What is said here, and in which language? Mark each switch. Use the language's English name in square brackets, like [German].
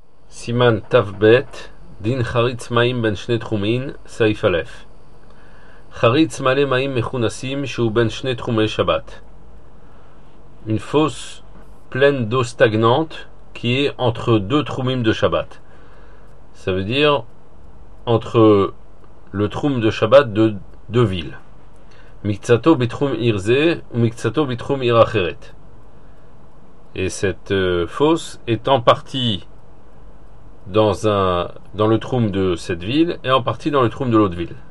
[Hebrew] סימן תב דין חריץ מים בין שני תחומים, סעיף א', חריץ מלא מים מכונסים שהוא בין שני תחומי שבת. [French] Une fosse pleine d'eau stagnante qui est entre deux תחומים de שבת. Ça veut dire entre le תחום de שבת de deux villes. [Hebrew] מקצתו בתחום עיר זה ומקצתו בתחום עיר אחרת. [French] Et cette fosse est en partie dans le troum de cette ville et en partie dans le troum de l'autre ville.